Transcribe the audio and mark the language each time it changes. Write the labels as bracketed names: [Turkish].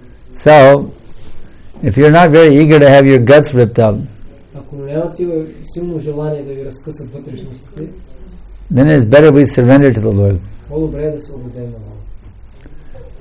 [English] So, if you're not very eager to have your guts ripped out, [Bulgarian] ако не имате силно желание да ви разкъсат вътрешностите, [English] then it is better we surrender to the Lord. [Bulgarian] По-добре да се отдадем на Бога.